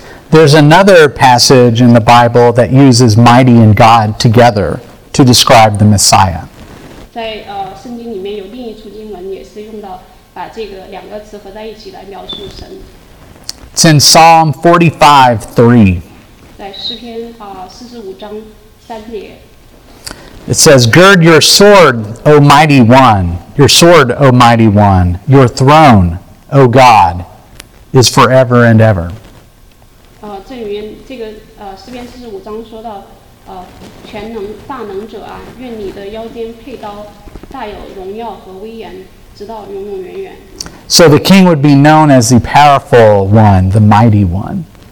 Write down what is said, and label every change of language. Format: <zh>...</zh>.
<en>There's another passage in the Bible that uses mighty and God together to describe the Messiah.</en> <zh>在圣经里面有另一处经文，也是用到把这个两个词合在一起来描述神。</zh> <en>It's in Psalm 45:3.</en> <zh>在诗篇45章3节。</zh> <en>It says, "Gird your sword, O mighty one. Your sword, O mighty one. Your throne, O God, is forever and ever."</en> <zh>这里面这个诗篇45章说到，全能大能者啊，愿你的腰间佩刀，大有荣耀和威严，直到永永远远。</zh> <en>So the king would be known as the powerful one, the mighty one.</en>